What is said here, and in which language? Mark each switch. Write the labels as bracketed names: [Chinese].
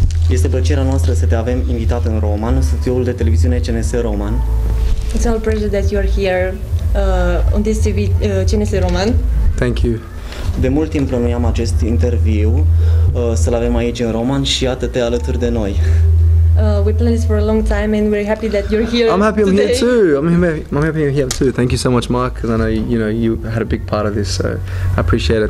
[Romanian] Este plăcerea noastră să te avem invitat în Roman, studioul de televiziune CNS Roman. [English] It's our pleasure that you are here on this TV CNS Roman. Thank you. [Romanian] De mult timp plănuiam acest interviu să-l avem aici în Roman și iată te alături de noi. [English] We planned this for a long time and we're happy that you're here. I'm happy today. I'm happy I'm here too. Thank you so much, Mark, because I know you had a big part of this, so I appreciate it.